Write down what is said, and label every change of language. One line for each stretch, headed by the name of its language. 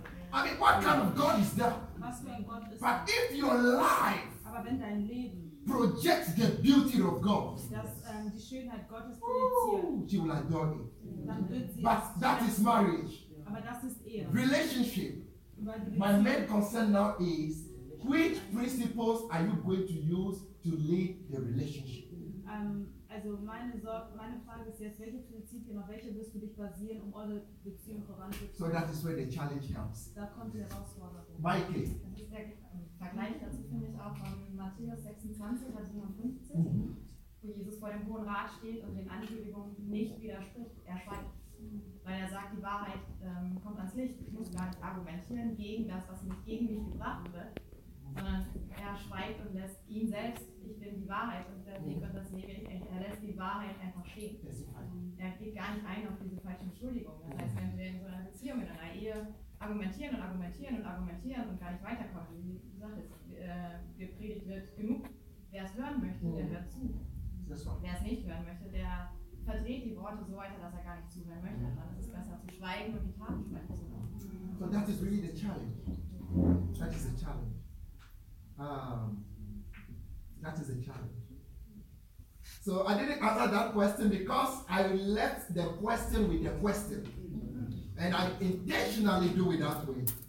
English: I mean, what kind of God is that? But if your life projects the beauty of God, she will adore it. But that is marriage. Relationship. My main concern now is, which principles are you going to use to lead the relationship?
German: Also meine Frage ist jetzt, welche Prinzipien, auf welche wirst du dich basieren, um eure Beziehung voranzubringen?
English: So that is where the challenge comes.
German: Da kommt die Herausforderung.
English: Michael.
German: Das ist der Vergleich dazu, finde ich auch, von Matthäus 26, Vers 57, wo Jesus vor dem Hohen Rat steht und den Ankündigungen nicht widerspricht. Er schweigt. Weil er sagt, die Wahrheit kommt ans Licht. Ich muss gar nicht argumentieren gegen das, was mich gegen mich gebracht wird. Sondern er schweigt und lässt ihn selbst, ich bin die Wahrheit und der Weg und das Leben, er lässt die Wahrheit einfach stehen. Er geht gar nicht ein auf diese falsche Entschuldigung. Das heißt, wenn wir in so einer Beziehung, in einer Ehe argumentieren und argumentieren und argumentieren und gar nicht weiterkommen, wie gesagt, es gepredigt wird genug. Wer es hören möchte, der hört zu. Wer es nicht hören möchte, der verdreht die Worte so weiter, dass er gar nicht zuhören möchte. Dann ist es besser zu schweigen und die Taten sprechen zu lassen.
English: So that is really the challenge. That is the challenge. That is a challenge. So I didn't answer that question because I left the question with the question. And I intentionally do it that way.